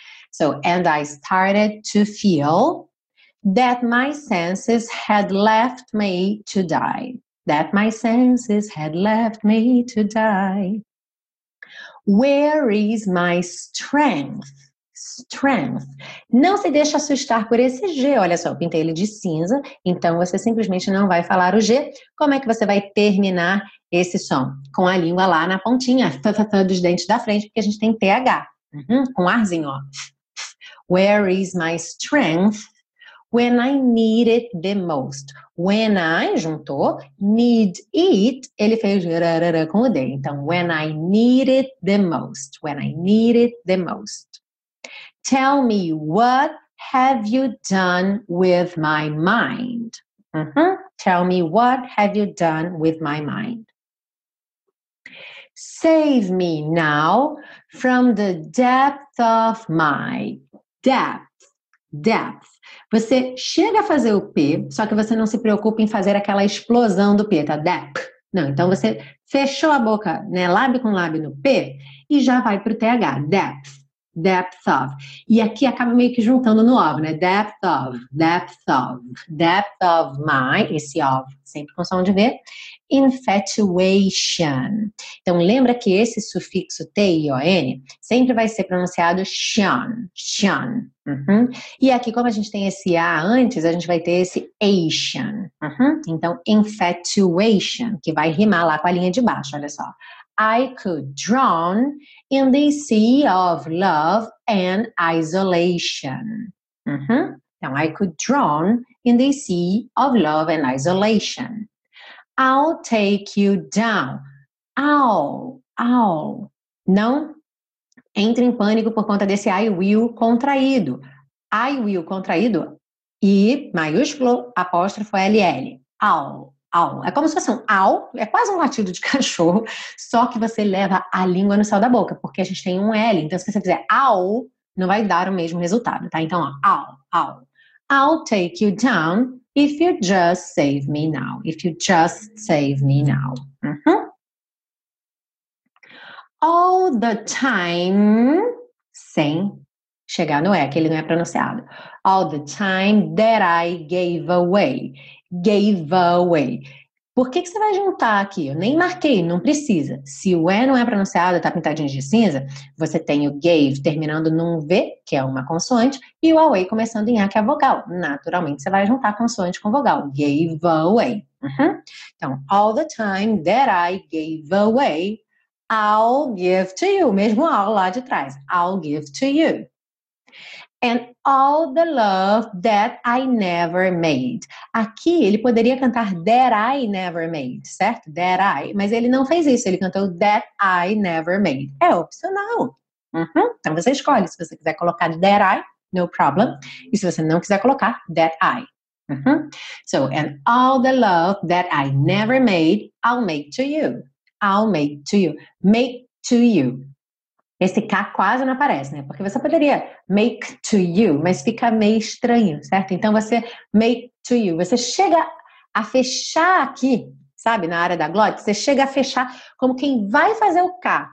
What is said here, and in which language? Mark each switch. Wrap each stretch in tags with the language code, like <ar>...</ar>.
<en>So, and I started to feel that my senses had left me to die. That my senses had left me to die. Where is my strength? Strength.</en> <pt>Não se deixe assustar por esse G. Olha só, eu pintei ele de cinza, então você simplesmente não vai falar o G. Como é que você vai terminar esse som? Com a língua lá na pontinha, dos dentes da frente, porque a gente tem TH. Uhum, com arzinho, ó.</pt> <en>Where is my strength? When I need it the most. When I,</en> <pt>juntou,</pt> <en>need it,</en> <pt>ele fez rarara com o D.</pt> <en>Então, when I need it the most. When I need it the most. Tell me, what have you done with my mind? Uh-huh. Tell me, what have you done with my mind? Save me now from the depth of my depth. depth.</en> <pt>Você chega a fazer o P, só que você não se preocupa em fazer aquela explosão do P, tá? Depth. Não, então você fechou a boca, né, lábio com lábio no P e já vai pro TH, depth.</pt> <en>Depth of.</en> <pt>E aqui acaba meio que juntando no of, né?</pt> <en>Depth of, depth of, depth of my,</en> <pt>esse of, sempre com som de V. Infatuation. Então, lembra que esse sufixo T-I-O-N sempre vai ser pronunciado shan, shan. Uhum. E aqui, como a gente tem esse A antes, a gente vai ter esse ation. Uhum. Então, infatuation, que vai rimar lá com a linha de baixo, olha só.</pt> <en>I could drown in the sea of love and isolation. Uh-huh. Now, I could drown in the sea of love and isolation. I'll take you down. I'll, I'll.</en> <pt>Não entre em pânico por conta desse I will contraído. I will contraído e maiúsculo apóstrofo LL. I'll. Au. É como se fosse um au, é quase um latido de cachorro, só que você leva a língua no céu da boca, porque a gente tem um L. Então, se você fizer au, não vai dar o mesmo resultado, tá? Então, ó, au, au.</pt> <en>I'll take you down if you just save me now. If you just save me now. Uh-huh. All the time,</en> <pt>sem chegar no E, que ele não é pronunciado.</pt> <en>All the time that I gave away. Gave away.</en> <pt>Por que que você vai juntar aqui? Eu nem marquei, não precisa. Se o E não é pronunciado, tá pintadinho de cinza, você tem o gave terminando num V, que é uma consoante, e o away começando em A, que é vogal. Naturalmente, você vai juntar consoante com vogal.</pt> <en>Gave away. Uhum. Então, all the time that I gave away, I'll give to you.</en> <pt>Mesmo all lá de trás.</pt> <en>I'll give to you. And all the love that I never made.</en> <pt>Aqui, ele poderia cantar</pt> <en>that I never made, certo? That I.</en> <pt>Mas ele não fez isso. Ele cantou</pt> <en>that I never made.</en> <pt>É opcional. Uhum. Então, você escolhe. Se você quiser colocar that I,</pt> <en>no problem.</en> <pt>E se você não quiser colocar that I. Uhum.</pt> <en>So, and all the love that I never made, I'll make to you. I'll make to you. Make to you.</en> <pt>Esse K quase não aparece, né? Porque você poderia</pt> <en>make to you,</en> <pt>mas fica meio estranho, certo? Então, você</pt> <en>make to you.</en> <pt>Você chega a fechar aqui, sabe? Na área da glote, você chega a fechar como quem vai fazer o K.</pt>